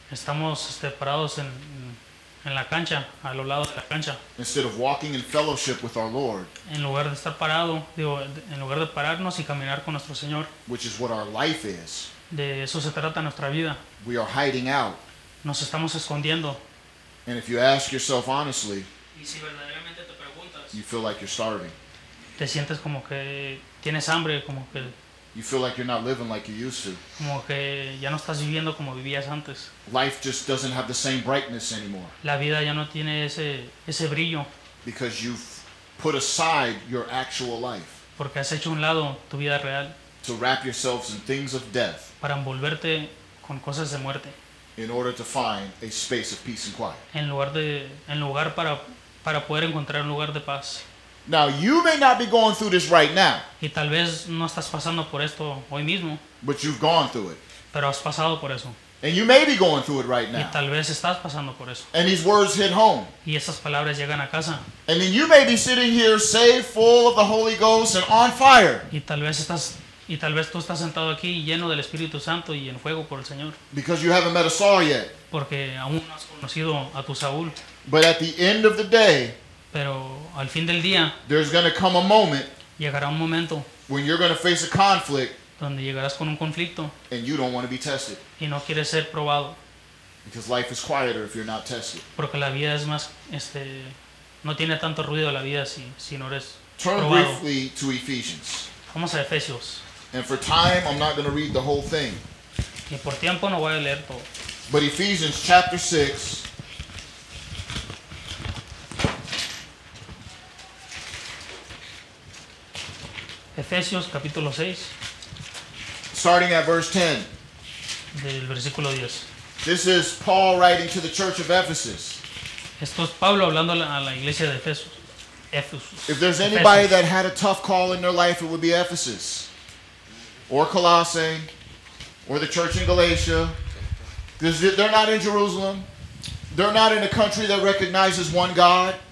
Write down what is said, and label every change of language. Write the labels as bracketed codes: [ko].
[es] Estamos parados en la cancha, a los lados de la cancha. [en] Instead of walking in fellowship with our Lord. [es] En lugar de estar parado, digo, en lugar de pararnos y caminar con nuestro Señor. [en] Which is what our life is. [es] De eso se trata nuestra vida. [en] We are hiding out. [es] Nos estamos escondiendo. [en] And if you ask yourself honestly, [es] y si verdaderamente te preguntas, [en] you feel like you're starving. [es] Te sientes como que tienes hambre, como que [en] you feel like you're not living like you used to. [es] Como que ya no estás viviendo como vivías antes. [en] Life just doesn't have the same brightness anymore. [es] La vida ya no tiene ese brillo. [en] Because you've put aside your actual life. [es] Porque has hecho un lado tu vida real. [en] To wrap yourselves in things of death. [es] Para envolverte con cosas de muerte. [en] In order to find a space of peace and quiet. [es] En lugar para poder encontrar un lugar de paz. [en] Now you may not be going through this right now. [es] Y tal vez no estás pasando por esto hoy mismo. [en] But you've gone through it. [es] Pero has pasado por eso. [en] And you may be going through it right now. [es] Y tal vez estás pasando por eso. [en] And these words hit home. [es] Y esas palabras llegan a casa. [en] And then you may be sitting here, safe, full of the Holy Ghost and on fire. [es] Y tal vez tú estás sentado aquí lleno del Espíritu Santo y en fuego por el Señor. [en] Because you haven't met a Saul yet. [es] Porque aún no has conocido a tu Saúl. [en] But at the end of the day. [es] Pero al fin del día, [en] there's going to come a moment, [es] llegará un momento, [en] when you're going to face a conflict, [es] donde llegarás con un conflicto, [en] and you don't want to be tested, [es] y no quieres ser probado, [en] because life is quieter if you're not tested. [es] Porque la vida es más, no tiene tanto ruido la vida si no eres [en] Turn [es] probado. [en] Turn briefly to Ephesians. [es] Vamos a Efesios. [en] And for time, I'm not going to read the whole thing. [es] Y por tiempo no voy a leer todo. [en] But Ephesians chapter 6. [es] Efesios capítulo 6. [en] Starting at verse 10. [es] Del versículo 10. [en] This is Paul writing to the church of Ephesus. [es] Esto es Pablo hablando a la iglesia de Efesos. [en] If there's anybody Ephesus. That had a tough call in their life, it would be Ephesus. Or Colossae. Or the church in Galatia. They're not in Jerusalem. They're not in a country that recognizes one God.